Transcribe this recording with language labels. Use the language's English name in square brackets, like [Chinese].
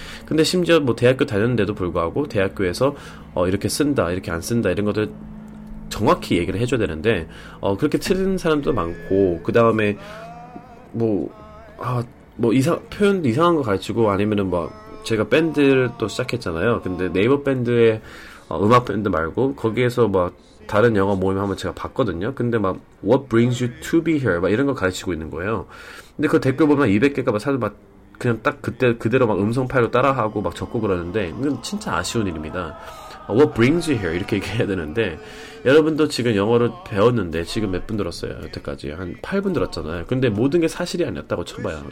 [Korean] 근데 심지어 뭐 대학교 다녔는데도 불구하고 대학교에서 이렇게 쓴다 이렇게 안 쓴다 이런 것들 정확히 얘기를 해줘야 되는데 그렇게 틀린 사람도 많고 그 다음에 표현도 이상한 거 가르치고 아니면은 뭐 제가 밴드를 또 시작했잖아요. 근데 네이버 밴드에 음악 밴드 말고 거기에서 막 다른 영어 모임 한번 제가 봤거든요. 근데 막 [English] What brings you to be here? [Korean] 막 이런 거 가르치고 있는 거예요. 근데 그 댓글 보면 200개가 막 사실 막 그냥 딱 그때 그대로 막 음성 파일로 따라하고 막 적고 그러는데 이건 진짜 아쉬운 일입니다. [English] What brings you here? [Korean] 이렇게 얘기해야 되는데 여러분도 지금 영어를 배웠는데 지금 몇 분 들었어요? 여태까지 한 8분 들었잖아요. 근데 모든 게 사실이 아니었다고 쳐봐요.